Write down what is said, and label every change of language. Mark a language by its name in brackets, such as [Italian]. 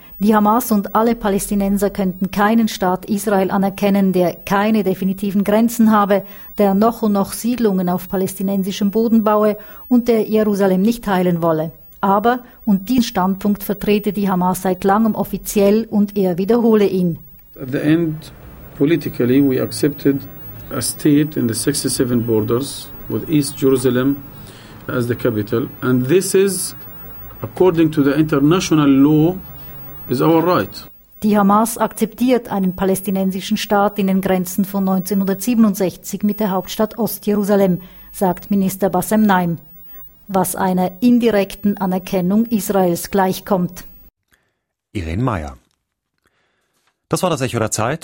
[German] Die Hamas und alle Palästinenser könnten keinen Staat Israel anerkennen, der keine definitiven Grenzen habe, der noch und noch Siedlungen auf palästinensischem Boden baue und der Jerusalem nicht teilen wolle. Aber, und diesen Standpunkt vertrete die Hamas seit langem offiziell und er wiederhole ihn. [English] At the end, politically, we accepted a state in the 67 borders with East Jerusalem as the capital. And this is, according to the international law, is our right. [German] Die Hamas akzeptiert einen palästinensischen Staat in den Grenzen von 1967 mit der Hauptstadt Ostjerusalem, sagt Minister Bassem Naim. Was einer indirekten Anerkennung Israels gleichkommt. Irene Meyer. Das war das Echo der Zeit.